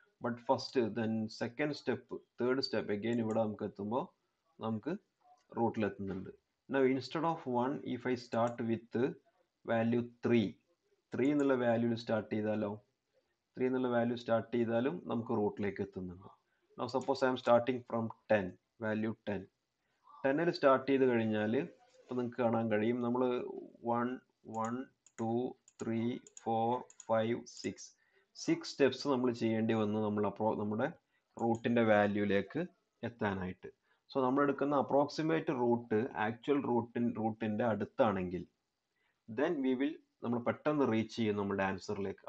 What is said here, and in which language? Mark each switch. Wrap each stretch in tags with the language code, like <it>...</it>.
<ml>But first then second step third step again ഇവിടെ നമുക്ക് എത്തുമ്പോൾ നമുക്ക് റൂട്ടിലെത്തുന്നുണ്ട്.</ml> <en>Now instead of 1, if I start with value 3</en> <ml>എന്നുള്ള value start ചെയ്താലോ, 3 എന്നുള്ള വാല്യൂ സ്റ്റാർട്ട് ചെയ്താലും നമുക്ക് റൂട്ടിലേക്ക് എത്തുന്നുണ്ട്.</ml> <en>Now suppose I am starting from 10, value 10.</en> <ml>10 start ചെയ്ത് കഴിഞ്ഞാൽ ഇപ്പോൾ നിങ്ങൾക്ക് കാണാൻ കഴിയും നമ്മൾ 1, 1, 2, 3, 4, 5, 6 സ്റ്റെപ്സ് നമ്മൾ ചെയ്യേണ്ടി വന്ന് നമ്മൾ അപ്പോൾ നമ്മുടെ റൂട്ടിൻ്റെ വാല്യൂലേക്ക് എത്താനായിട്ട്. സോ നമ്മളെടുക്കുന്ന അപ്രോക്സിമേറ്റ് റൂട്ട് ആക്ച്വൽ റൂട്ടിൻ്റെ അടുത്താണെങ്കിൽ ദെൻ വി വിൽ നമ്മൾ പെട്ടെന്ന് റീച്ച് ചെയ്യും നമ്മുടെ ആൻസറിലേക്ക്.</ml>